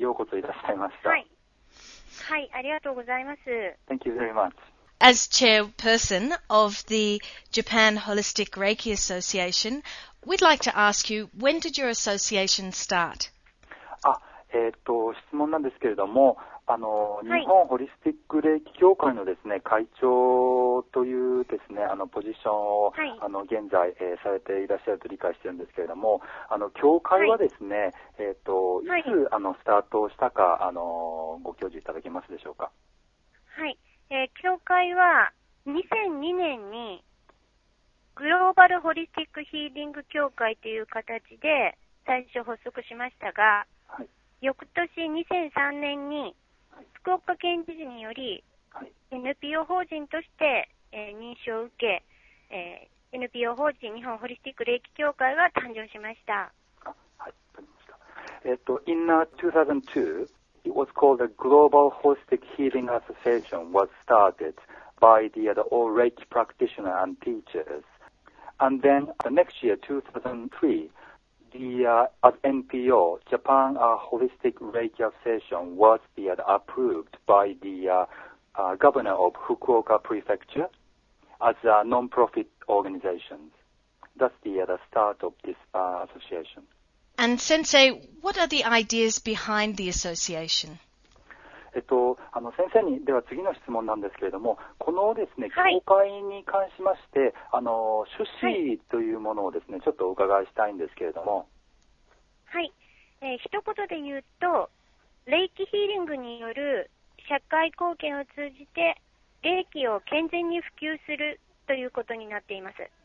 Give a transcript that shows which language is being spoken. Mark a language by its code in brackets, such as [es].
[ja] ようこそいらっしゃいました。はい。はい、ありがとうございます。 [en] Thank you very much. As chairperson of the Japan Holistic Reiki Association, we'd like to ask you, when did your association start? [ja] 質問なんですけれども、日本ホリスティックレイキ協会のですね、会長というですね、ポジションを、はい、現在、されていらっしゃると理解しているんですけれども、協会はですね、はい、いつ、スタートしたか、ご教授いただけますでしょうか。はい。協会は2002年にグローバルホリスティックヒーリング協会という形で最初発足しましたが、はい、翌年2003年に福岡県知事により NPO 法人として認証を受け、NPO 法人日本ホリスティック霊気協会が誕生しました。はい、 [en] In 2002It was called the Global Holistic Healing Association was started by the all Reiki practitioners and teachers. And then the next year, 2003, the NPO, Japan Holistic Reiki Association, was approved by the governor of Fukuoka Prefecture as a non-profit organization. That's the start of this association. And Sensei, what are the ideas behind the association? [ja] 先生にでは次の質問なんですけれども、このですね、協会に関しまして、趣旨というものをですね、ちょっとお伺いしたいんですけれども。はい。一言で言うと、霊気ヒーリングによる社会貢献を通じて、霊気を健全に普及するということになっています。